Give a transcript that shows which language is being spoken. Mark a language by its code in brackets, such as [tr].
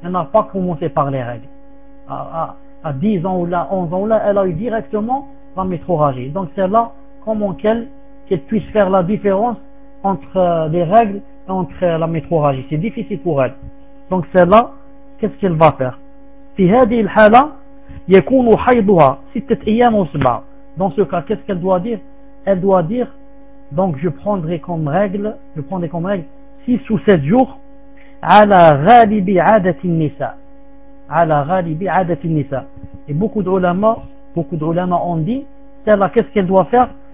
[fr] Elle n'a pas commencé par les règles. À 10 ans ou là, 11 ans ou là, elle a eu directement la métrorragie. Donc celle-là, comment qu'elle puisse faire la différence entre les règles et entre la métrorragie? C'est difficile pour elle. Donc celle-là, qu'est-ce qu'elle va faire? [ar] في هذه الحالة يكون حيضها ستة أيام أو سبعة. [fr] Dans ce cas, qu'est-ce qu'elle doit dire? Elle doit dire, donc je prendrai comme règle 6 ou 7 jours [ar] على غالب عادة النساء. على غالب عادة النساء. [fr] Et beaucoup d'ulama ont dit, celle-là, qu'est-ce qu'elle doit faire?